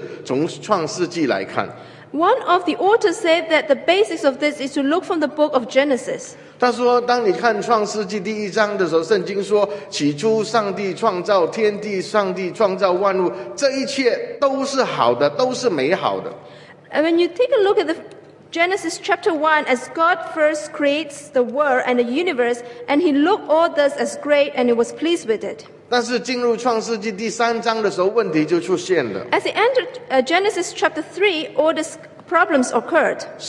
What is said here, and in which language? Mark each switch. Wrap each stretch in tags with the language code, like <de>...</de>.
<zh>有一个作者说，其实宣教的一个最基本的基础就是从创世纪来看。</zh> <en>One of the authors said that the basis of this is to look from the book of Genesis.</en> <zh>他说，当你看创世纪第一章的时候，圣经说，起初上帝创造天地，上帝创造万物，这一切都是好的，都是美好的。</zh> <en>And when you take a look at the Genesis chapter 1, as God first creates the world and the universe, and he looked all this as great and he was pleased with it.</en> <zh>但是进入创世纪第三章的时候，问题就出现了。</zh> <en>As he entered Genesis chapter 3, all these problems occurred.</en>